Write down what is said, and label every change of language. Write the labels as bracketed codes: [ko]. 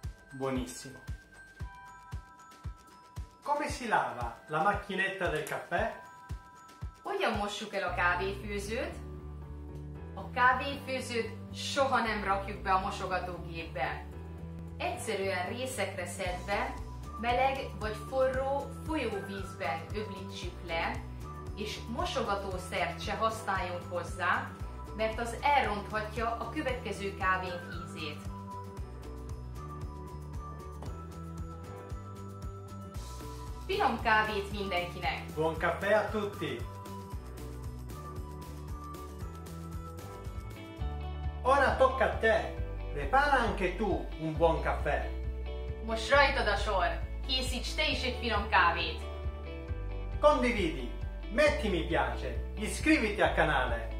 [it] Buonissimo. Come si lava la macchinetta del caffè? Vogliamo che lo cavi fűzőt? [hu] A kávé főzőt soha nem rakjuk be a mosogatógépbe. Egyszerűen részekre szedve, meleg vagy forró folyóvízben öblítsük le, és mosogatószert se használjunk hozzá, mert az elronthatja a következő kávénk ízét. Finom kávét mindenkinek! [it] Buon caffè a tutti! Ora tocca a te! Prepara anche tu un buon caffè! [hu] Most rajtad a sor! Készíts te is egy finom kávét! [it] Condividi! Metti mi piace! Iscriviti al canale!